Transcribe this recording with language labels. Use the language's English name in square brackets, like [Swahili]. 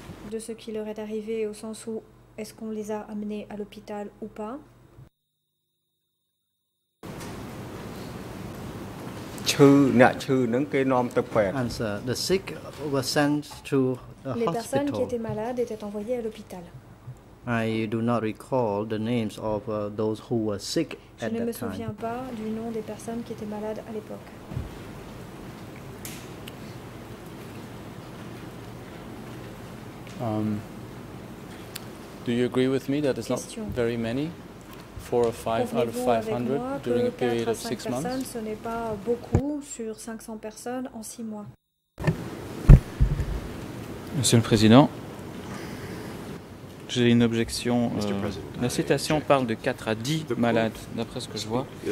[French] De ce qui leur est arrivé au sens où est-ce qu'on les a amenés à l'hôpital ou pas? [English] Answer. The sick were sent to the hospital. [French] Les personnes qui étaient malades étaient envoyées à l'hôpital. [English] I do not recall the names of those who were sick at that time. [French] Je ne me souviens pas du nom des personnes qui étaient malades à l'époque. [English] Do you agree with me that it's not very many? Four or five out of 500 during a period of 6 months. [French] Ce n'est pas beaucoup sur 500 personnes en 6 mois. Monsieur le Président, j'ai une objection. La citation parle de 4 à 10 malades, d'après ce que je vois.